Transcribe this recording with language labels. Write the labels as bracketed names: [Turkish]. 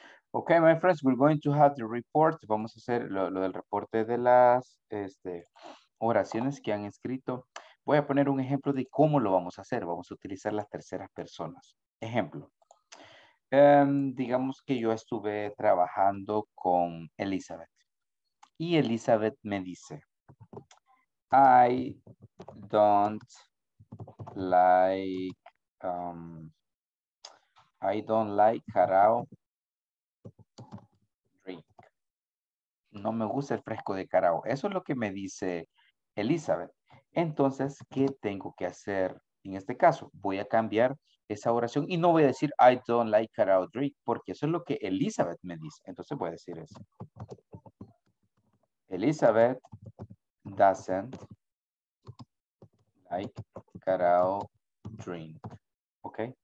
[English] Okay, my friends, we're going to have the report. [Spanish] Vamos a hacer lo del reporte de las oraciones que han escrito. Voy a poner un ejemplo de cómo lo vamos a hacer. Vamos a utilizar las terceras personas. Ejemplo. Digamos que yo estuve trabajando con Elizabeth. Y Elizabeth me dice, [English] I don't like, I don't like karaoke drink. [Spanish] No me gusta el fresco de karaoke. Eso es lo que me dice Elizabeth. Entonces, ¿qué tengo que hacer en este caso? Voy a cambiar esa oración y no voy a decir [English] I don't like karaoke drink, [Spanish] porque eso es lo que Elizabeth me dice. Entonces voy a decir eso. [English] Elizabeth doesn't like karaoke drink. ¿Ok?